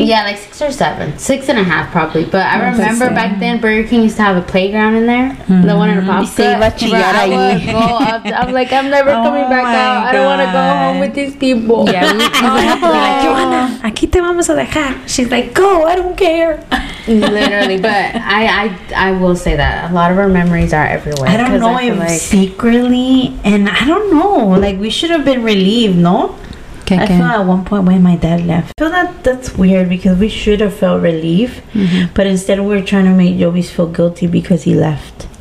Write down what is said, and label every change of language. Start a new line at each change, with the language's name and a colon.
English: Yeah, like 6 or 7, 6 and a half probably. But I remember back then, Burger King used to have a playground in there. The one in Apopka. I would go up. I'm like, I'm never coming back out. God. I don't want to go home with these people. Yeah, we
Spanish: like, Joanna, aquí te vamos a dejar.
English: She's like, go, I don't care. Literally, but I will say that a lot of our memories are everywhere. I don't know if like secretly, and I don't know, like, we should have been relieved, no? Okay, I feel at one point when my dad left. I feel that that's weird because we should have felt relief, but instead we're trying to make Jovis feel guilty because he left.